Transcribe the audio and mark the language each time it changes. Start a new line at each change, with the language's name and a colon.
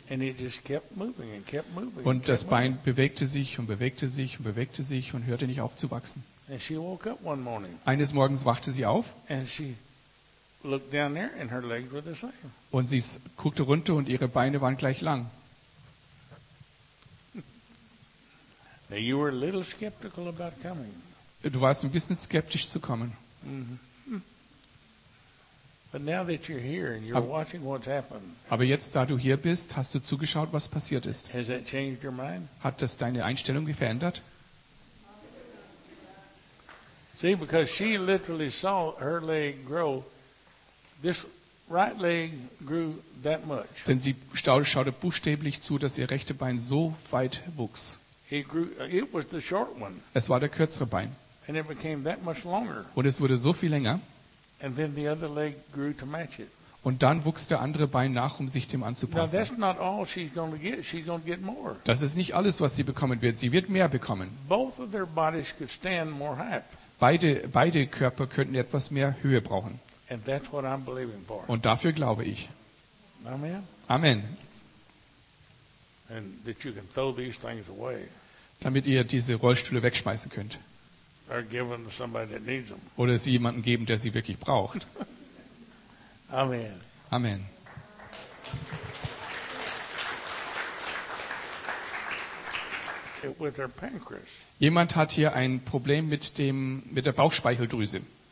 English: And it just kept moving and kept moving.
German: Und das Bein bewegte sich und bewegte sich und bewegte sich und hörte nicht auf zu wachsen.
English: And she woke up one morning.
German: Eines Morgens wachte sie auf.
English: And she looked down there and her legs were the same.
German: Und sie guckte runter und ihre Beine waren gleich lang.
English: Now you were a little skeptical about coming.
German: Du warst ein bisschen skeptisch zu kommen.
English: But now that you're here and you're watching what's happened.
German: Aber jetzt da du hier bist, hast du zugeschaut, was passiert ist.
English: Has that changed your mind?
German: Hat das deine Einstellung verändert?
English: See, because she literally saw her leg grow. This right leg grew that much.
German: Denn sie schaute buchstäblich zu, dass ihr rechtes Bein so weit wuchs.
English: It was the short one.
German: Es war der kürzere Bein.
English: And it became that much longer.
German: Und es wurde so viel länger.
English: And then the other leg grew to match it.
German: Und dann wuchs der andere Bein nach, um sich dem anzupassen.
English: Now that's not all she's going to get. She's going to get more.
German: Das ist nicht alles, was sie bekommen wird. Sie wird mehr bekommen.
English: Both of their bodies could stand more height.
German: Beide Körper könnten etwas mehr Höhe brauchen.
English: And that's what I'm believing for.
German: Und dafür glaube ich.
English: Amen.
German: Amen.
English: And that you can throw these things away.
German: Damit ihr diese Rollstühle wegschmeißen könnt.
English: Or give them to somebody that needs them.
German: Oder sie jemanden geben, der sie wirklich braucht.
English: Amen.
German: Amen.
English: With their pancreas.
German: Jemand hat hier ein Problem mit der Bauchspeicheldrüse.